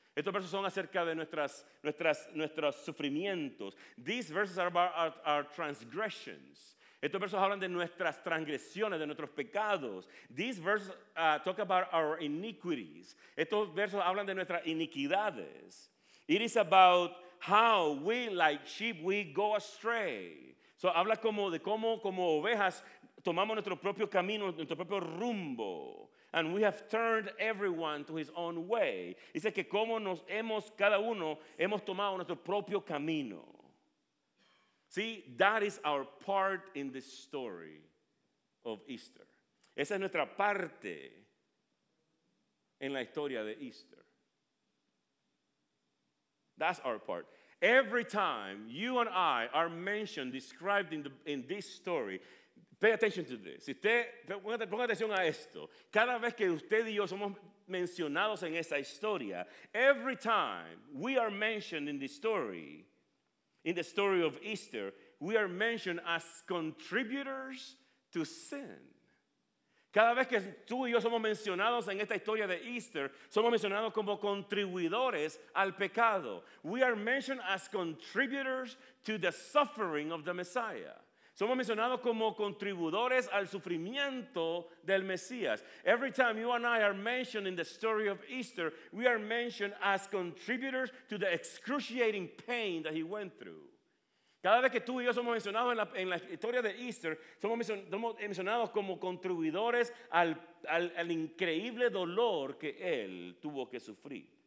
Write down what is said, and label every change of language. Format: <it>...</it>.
<es>Estos versos son acerca de nuestros sufrimientos.</es> <en>These verses are about our transgressions.</en> <es>Estos versos hablan de nuestras transgresiones, de nuestros pecados.</es> <en>These verses talk about our iniquities.</en> <es>Estos versos hablan de nuestras iniquidades.</es> <en>It is about how we, like sheep, we go astray.</en> <es>So habla como de cómo como ovejas tomamos nuestro propio camino, nuestro propio rumbo.</es> <en>And we have turned everyone to his own way.</en> <es>Dice que como nos hemos, cada uno, hemos tomado nuestro propio camino.</es> <en>See, that is our part in the story of Easter.</en> <es>Esa es nuestra parte en la historia de Easter.</es> <en>That's our part. Every time you and I are mentioned, described in this story, pay attention to this.</en> <es>Si usted, ponga atención a esto. Cada vez que usted y yo somos mencionados en esta historia,</es> <en>every time we are mentioned in the story of Easter, we are mentioned as contributors to sin.</en> <es>Cada vez que tú y yo somos mencionados en esta historia de Easter, somos mencionados como contribuidores al pecado.</es> <en>We are mentioned as contributors to the suffering of the Messiah.</en> <es>Somos mencionados como contribuidores al sufrimiento del Mesías.</es> <en>Every time you and I are mentioned in the story of Easter, we are mentioned as contributors to the excruciating pain that he went through.</en> <es>Cada vez que tú y yo somos mencionados en la historia de Easter, somos mencionados como contribuidores al increíble dolor que él tuvo que sufrir.</es>